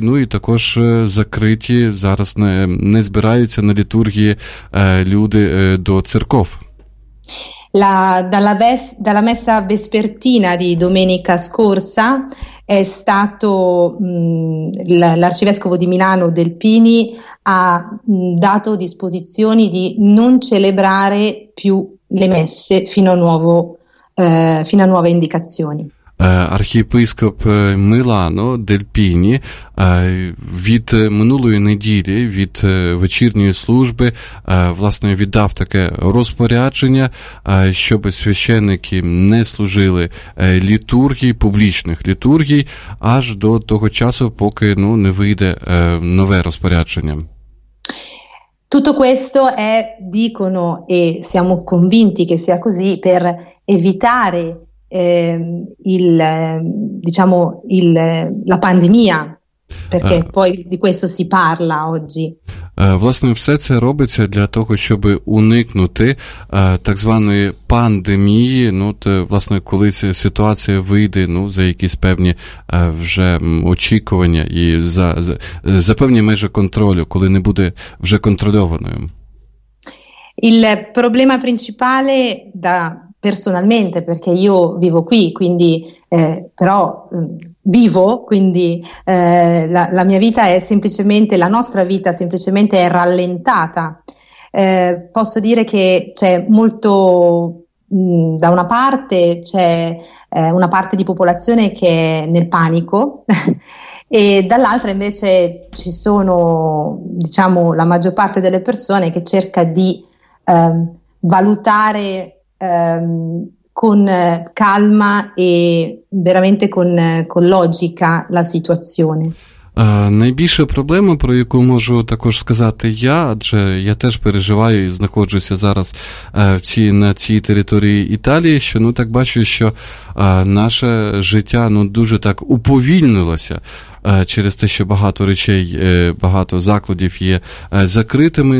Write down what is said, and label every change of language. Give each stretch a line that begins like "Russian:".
Ukrainian: Ну і також закриті зараз не збираються на літургії люди до церков.
Italian: Dalla messa vespertina di domenica scorsa è stato l'arcivescovo di Milano Delpini ha dato disposizioni di non celebrare più le messe fino a nuove indicazioni.
Ukrainian: Архієпископ Мілано Дельпіні від минулої неділі, від вечірньої служби, власне, віддав таке розпорядження, щоб священники не служили літургії, публічних літургій, аж до того часу, поки ну, не вийде нове розпорядження.
Italian: Tutto questo è, dicono, e siamo convinti che sia così, per evitare la пандемія, perché poi di questo si parla oggi.
Ukrainian: Власне, все це робиться для того, щоб уникнути так званої пандемії. Ну, то, власне, коли ситуація вийде, ну, за якісь певні вже очікування і за певні межі контролю, коли не буде вже контрольованою.
Italian: Il problema principale da personalmente, perché io vivo qui, quindi la mia vita è semplicemente, la nostra vita semplicemente è rallentata. Posso dire che c'è molto, da una parte c'è una parte di popolazione che è nel panico e dall'altra invece ci sono, diciamo, la maggior parte delle persone che cerca di valutare con calma e veramente con logica la situazione.
Ukrainian: Найбільша проблема, про яку можу також сказати я, адже я теж переживаю і знаходжуся зараз на цій території Італії, що ну так бачу, що наше життя ну дуже так уповільнилося через те, що багато речей, багато закладів є закритими.